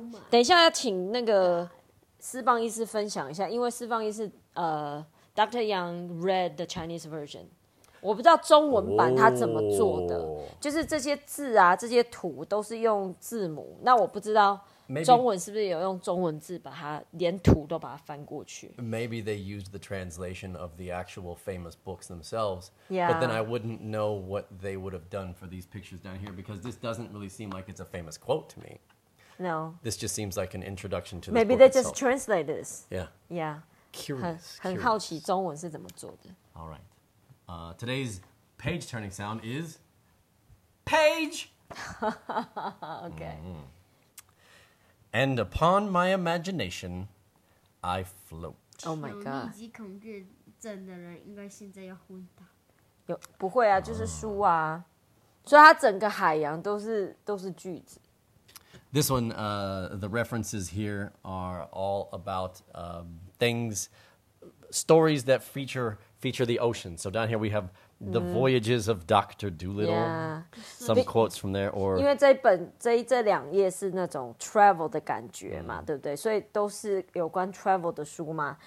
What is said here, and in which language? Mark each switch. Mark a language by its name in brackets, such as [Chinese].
[Chinese] 等一下要请那个 四方医师分享一下，因为四方医师 Dr. [English] Yang read the Chinese version. [Chinese] 我不知道中文版它怎么做的，就是这些字啊，这些图都是用字母。那我不知道中文是不是有用中文字把它连图都把它翻过去。 [English] Maybe they used the translation of the actual famous books themselves. Yeah. But then I wouldn't know what they would have done for these pictures down here because this doesn't really seem like it's a famous quote to me. No. This just seems like an introduction to the Maybe book they itself. Just translate this. Yeah. Yeah. Curious. [Chinese] 很好奇中文是怎么做的。 [English] All right. Today's page turning sound is page. Okay. Mm-hmm. And upon my imagination, I float. Oh my god. [Chinese] 有密集恐惧症的人应该现在要昏倒。不会啊，就是书啊。所以它整个海洋都是句子。 [English] This one, the references here are all about things, stories that feature the ocean. So down here we have The Voyages of Dr. Doolittle, some quotes from there. Or [Chinese] 因为这两页是那种 travel的感觉嘛, 对不对？所以都是有关 travel的书嘛。